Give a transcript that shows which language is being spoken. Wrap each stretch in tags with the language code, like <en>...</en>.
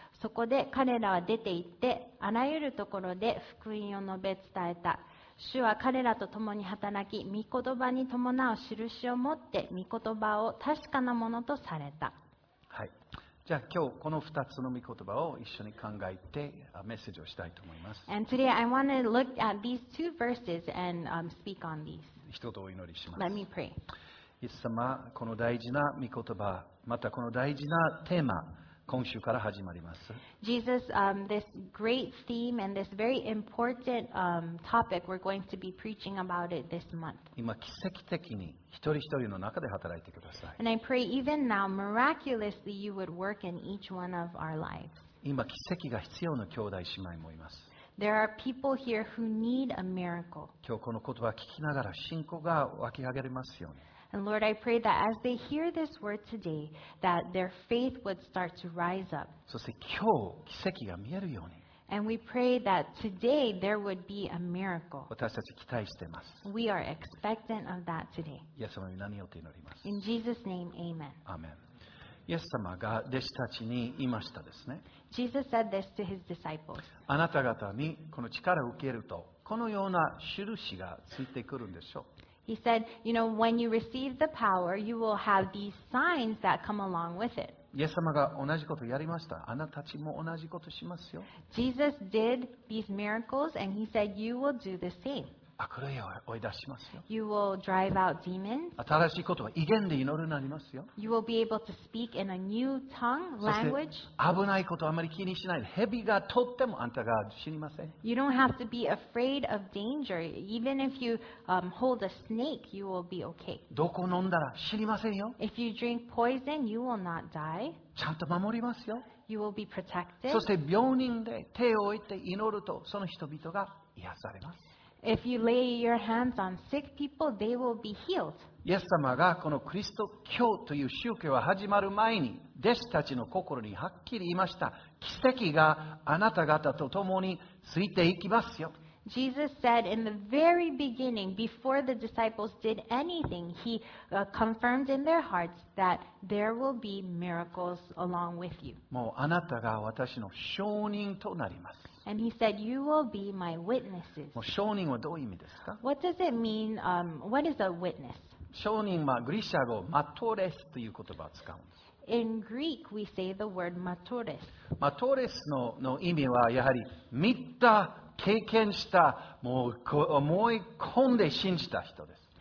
<ja>そこで彼らは出て行ってあらゆるところで福音を述べ伝えた。主は彼らと共に働き、御言葉に伴う印を持って御言葉を確かなものとされた。はい、じゃあ今日この2つの御言葉を一緒に考えてメッセージをしたいと思います。</ja> <en>And today I want to look at these two verses and speak on these.</en> <ja>一度お祈りします。</ja> <en>Let me pray.</en> <ja>イエス様、この大事な御言葉、またこの大事なテーマ、今週から始まります。</ja> <en>Jesus, this great theme and this very important topic, we're going to be preaching about it this month.</en> <ja>今奇跡的に一人一人の中で働いてください。</ja> <en>And I pray even now, miraculously, you would work in each one of our lives.</en> <ja>今奇跡が必要な兄弟姉妹もいます。</ja> <en>There are people here who need a miracle.</en> <ja>今日この言葉を聞きながら信仰が湧き上がりますように。</ja> <en>And Lord, I pray that as they hear this word today, that their faith would start to rise up.</en> <ja>そして今日奇跡が見えるように。</ja> <en>And we pray that today there would be a miracle.</en> <ja>私たち期待しています。</ja> <en>We are expectant of that today.</en> <ja>イエス様に何をと祈ります。</ja> <en>In Jesus' name, Amen. Amen.</en> <ja>イエス様が弟子たちに言いましたですね。</ja> <en>Jesus said this to his disciples.</en> <ja>あなた方にこの力を受けると、このような印がついてくるんでしょう。</ja> <en>He said, you know, when you receive the power, you will have these signs that come along with it.</en> <ja>イエス様が同じことをやりました。あなたたちも同じことしますよ。</ja> <en>Jesus did these miracles and he said, you will do the same.</en> <ja>悪霊を追い出しますよ。</ja> <en>You will drive out demons.</en> <ja>新しいことは異言で祈るようになりますよ。</ja> <en>You will be able to speak in a new tongue, language.</en> <ja>そして危ないことをあまり気にしない。蛇が取ってもあんたが死にません。</ja> <en>You don't have to be afraid of danger. Even if you hold a snake, you will be okay.</en> <ja>毒を飲んだら死にませんよ。</ja> <en>If you drink poison, you will not die.</en> <ja>ちゃんと守りますよ。</ja> <en>You will be protected.</en> <ja>そして病人で手を置いて祈るとその人々が癒されます。</ja> <en>If you lay your hands on sick people, they will be healed.</en> <ja>イエス様がこのクリスト教という宗教が始まる前に弟子たちの心にはっきり言いました。奇跡があなた方と共についていきますよ。</ja> <en>Jesus said in the very beginning, before the disciples did anything, he confirmed in their hearts that there will be miracles along with you.</en> <ja>もうあなたが私の証人となります。</ja> <en>And he said, you will be my witnesses.</en> <ja>もう証人はどういう意味ですか?</ja> <en>What does it mean, what is a witness?</en> <ja>証人はギリシャ語、マトレスという言葉を使うんです。</ja> <en>In Greek, we say the word matores.</en> <ja>マトレスの意味はやはり見た経験したもう思い込んで信じた人です。</ja>